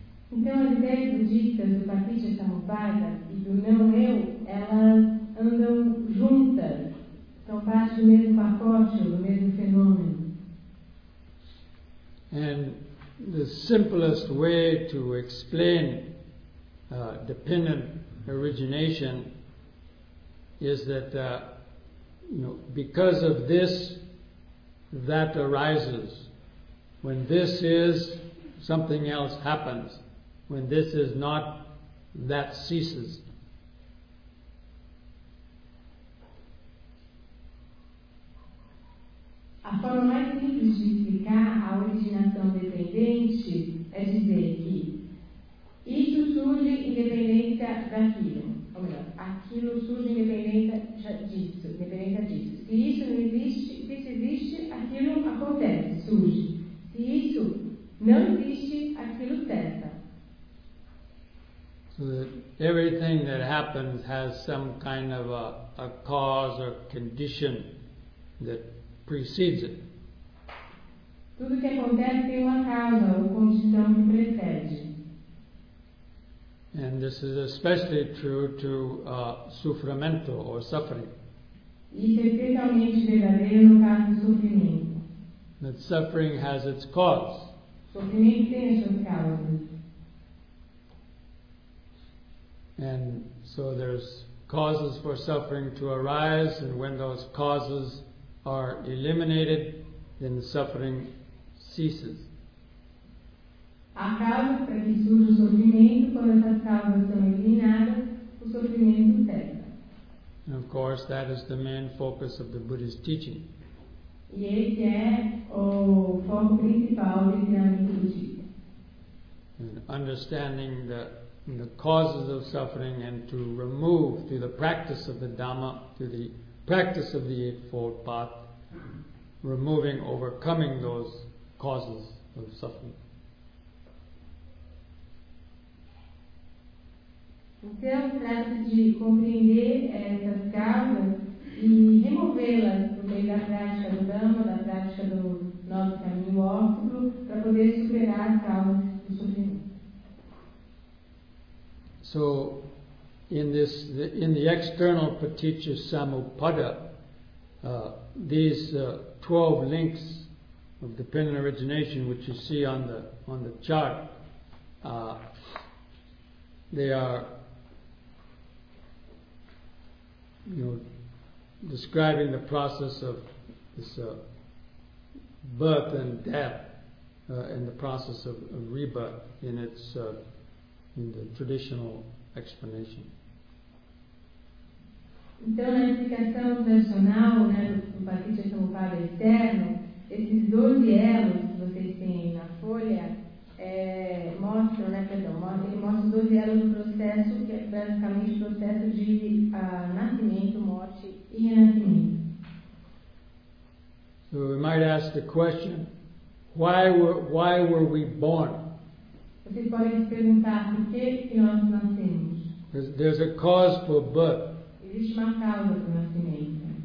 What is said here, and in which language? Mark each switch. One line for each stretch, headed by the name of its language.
Portuguese: Então as ideias budistas do paticca samuppada e do não eu, elas andam juntas, são parte do mesmo pacote, do mesmo fenômeno.
English: And the simplest way to explain dependent origination is that you know, because of this, that arises. When this is, something else happens. When this is not, that ceases.
Portuguese: Então, A forma mais simples de explicar a originação dependente é dizer que isso surge independente daquilo. Ou melhor, aquilo surge independente disso. Se isso não existe, se existe, aquilo acontece, surge. Se isso não existe, aquilo cessa.
English: So that everything that happens has some kind of a cause or condition that precedes it.
Portuguese: Tudo que acontece tem uma causa ou condição que precede.
English: And this is especially true to sofrimento or suffering.
Portuguese: Isso é especialmente verdadeiro no caso do sofrimento.
English: That suffering has its cause.
Portuguese: Sofrimento tem as suas causas.
English: And so there's causes for suffering to arise, and when those causes are eliminated, then the suffering ceases.
Portuguese: Há causas para que surja o sofrimento, quando essas causas são eliminadas, o sofrimento cessa.
English: And of course, that is the main focus of the Buddhist teaching.
Portuguese: E esse é o foco principal do ensinamento budista.
English: And understanding the causes of suffering and to remove through the practice of the Dhamma, through the practice of the Eightfold Path, removing, overcoming those causes of suffering.
Portuguese: Então, trata-se de compreender essas causas e removê-las por meio da prática do Dhamma, da prática do nosso caminho óptimo, para poder superar as causas do sofrimento.
English: So, in the external paticca samuppada, these 12 links of dependent origination, which you see on the chart, they are, describing the process of this birth and death, and the process of rebirth in its. In the traditional explanation.
Portuguese: Então, na explicação tradicional, né, do paticca samuppada eterno, esses 12 elos que vocês têm na folha mostram 12 elos do processo, que é basicamente o processo de nascimento, morte e renascimento.
English: So we might ask the question, why were we born?
Portuguese: Vocês podem se perguntar por que nós nascemos.
English: There's a cause for birth.
Portuguese: Existe uma causa para o nascimento.